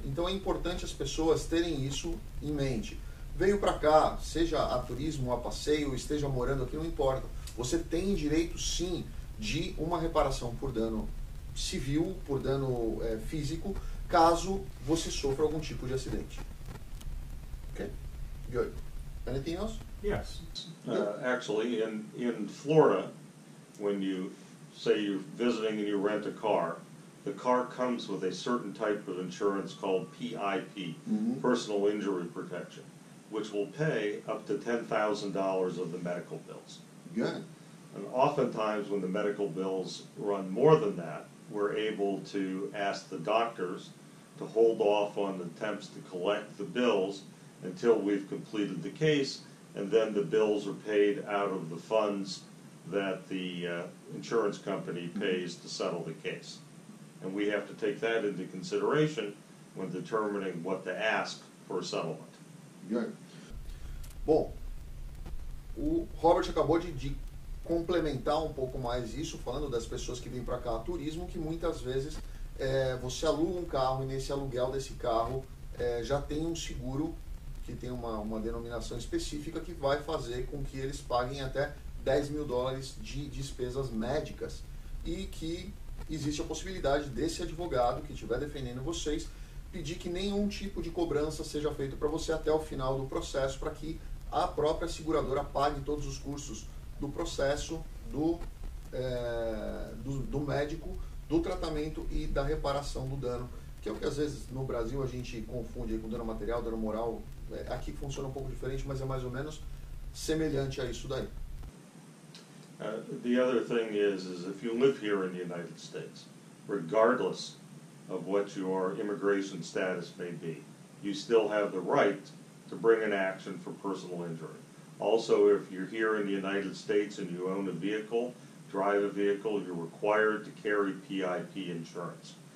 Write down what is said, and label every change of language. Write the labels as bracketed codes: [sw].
[pt] Então é importante as pessoas terem isso em mente. Veio para cá, seja a turismo, a passeio, esteja morando aqui, não importa. Você tem direito, sim, de uma reparação por dano civil, por dano físico, caso você sofra algum tipo de acidente. [en] Ok? Good. Anything else? Yes. Actually, in Florida, when you say you're visiting and you rent a car, the car comes with a certain type of insurance called PIP, mm-hmm. Personal Injury Protection, which will pay up to $10,000 of the medical bills. Good. And oftentimes when the medical bills run more than that, we're able to ask the doctors to hold off on attempts to collect the bills until we've completed the case, and then the bills are paid out of the funds that the insurance company pays to settle the case. And we have to take that into consideration when determining what to ask for a settlement. Good. [pt] Bom, o Robert acabou de complementar um pouco mais isso, falando das pessoas que vêm para cá a turismo, que muitas vezes você aluga um carro e nesse aluguel desse carro já tem um seguro que tem uma denominação específica que vai fazer com que eles paguem até $10,000 de despesas médicas e que existe a possibilidade desse advogado que estiver defendendo vocês pedir que nenhum tipo de cobrança seja feito para você até o final do processo para que a própria seguradora pague todos os custos do processo, do médico, do tratamento e da reparação do dano, que é o que às vezes no Brasil a gente confunde aí com dano material, dano moral. Aqui funciona um pouco diferente, mas é mais ou menos semelhante a isso daí. [en] The other thing is if you live here in the United States, regardless of what your immigration status may be, you still have the right to bring an action for personal injury. Also, if you're here in the United States and you own a vehicle, drive a vehicle, you're required to carry PIP insurance.